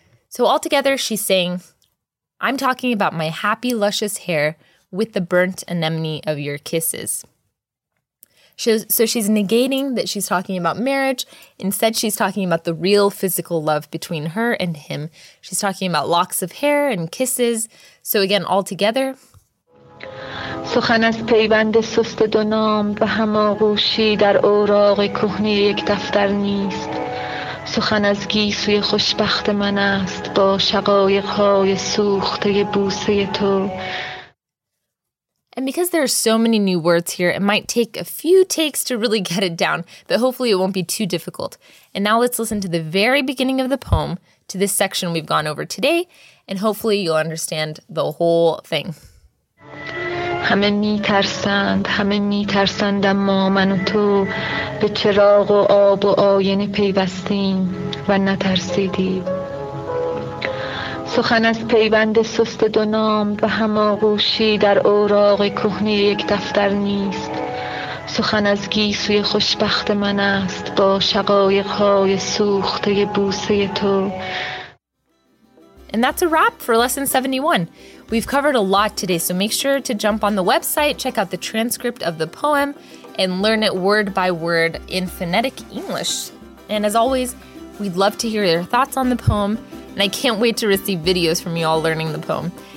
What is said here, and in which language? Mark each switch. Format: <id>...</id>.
<en>So altogether, she's saying, I'm talking about my happy, luscious hair with the burnt anemone of your kisses. So she's negating that she's talking about marriage. Instead, she's talking about the real physical love between her and him. She's talking about locks of hair and kisses. So again, altogether.</en> <fa>سخن از پیوند سست دو نام و هم آغوشی در اوراق کهنه یک دفتر نیست سخن از گیسوی خوشبخت من است با شقایق های سوخته بوسه تو.</fa> <en>And because there are so many new words here, it might take a few takes to really get it down, but hopefully it won't be too difficult. And now let's listen to the very beginning of the poem, to this section we've gone over today, and hopefully you'll understand the whole thing.</en> <fa>همه میترسند، همه میترسند اما من و تو به چراغ و آب و آینه پیوستیم و نترسیدی. سخن از پیوند سست دو نام و هم آغوشی در اوراق کهنه یک دفتر نیست. سخن از گیسوی خوشبخت من است با شقایق های سوخته بوسه تو.</fa> <en>And that's a wrap for lesson 71. We've covered a lot today, so make sure to jump on the website, check out the transcript of the poem, and learn it word by word in phonetic English. And as always, we'd love to hear your thoughts on the poem, and I can't wait to receive videos from you all learning the poem.</en>